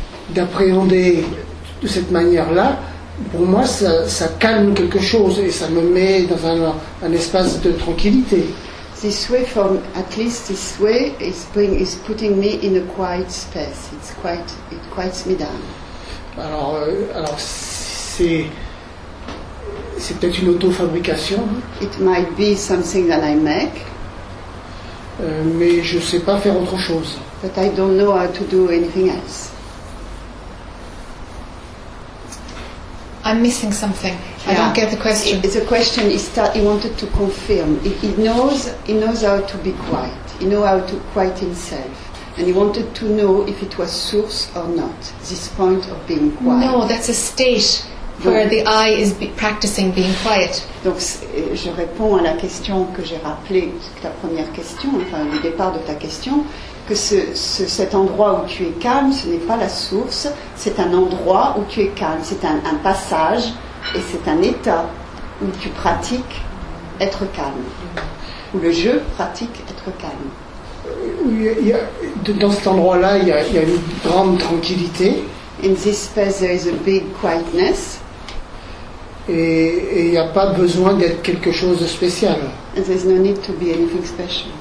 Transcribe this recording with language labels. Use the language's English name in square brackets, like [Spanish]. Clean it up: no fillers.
[French] d'appréhender de cette manière-là, pour moi, ça calme quelque chose et ça me met dans un espace de tranquillité. [English] This way, from at least this way, is putting me in a quiet space. It quiets me down. [French] Alors c'est peut-être une auto-fabrication. [English] It might be something that I make. [French] Mais je ne sais pas faire autre chose. [English] But I don't know how to do anything else. I'm missing something. Yeah. I don't get the question. The question is that he wanted to confirm. He knows how to be quiet. He knows how to quiet himself. And he wanted to know if it was source or not, this point of being quiet. No, that's a state where the I is practicing being quiet. [French] Donc, je réponds à la question que j'ai rappelée, ta première question, enfin, le départ de ta question, que cet endroit où tu es calme, ce n'est pas la source, c'est un endroit où tu es calme, c'est un passage, et c'est un état où tu pratiques être calme, où le jeu pratique être calme. Dans cet endroit-là, il y a une grande tranquillité. [English] In this space, there is a big quietness. [French] Et il n'y a pas besoin d'être quelque chose de spécial. [English] And there's no need to be anything special.